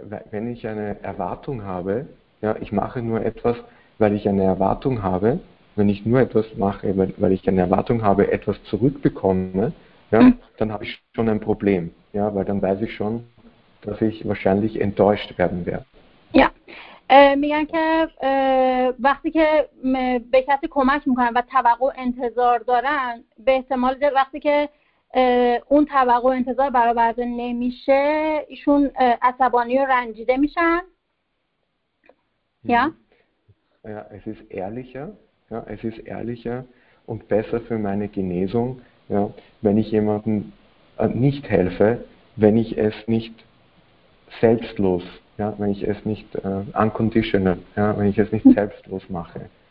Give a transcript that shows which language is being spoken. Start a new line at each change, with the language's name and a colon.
German: Wenn ich eine Erwartung habe, ja, ich mache nur etwas, weil ich eine Erwartung habe, wenn ich nur etwas mache, weil ich eine Erwartung habe, etwas zurückbekomme, ja, dann habe ich schon ein Problem, ja, weil dann weiß ich schon, dass ich wahrscheinlich enttäuscht werden werde.
Persian: Ja, میگن که وقتی که به کسی کمک میکنن و توقع انتظار دارن به احتمال در وقتی که اون توقع انتظار برآورده نمیشه ایشون عصبانی و رنجیده میشن.
German: Ja, es ist ehrlicher, ja, es ist ehrlicher und besser für meine Genesung, ja, wenn ich jemandem nicht helfe, wenn ich es nicht selbstlos, ja, wenn ich es nicht unconditional, ja, wenn ich es nicht selbstlos mache.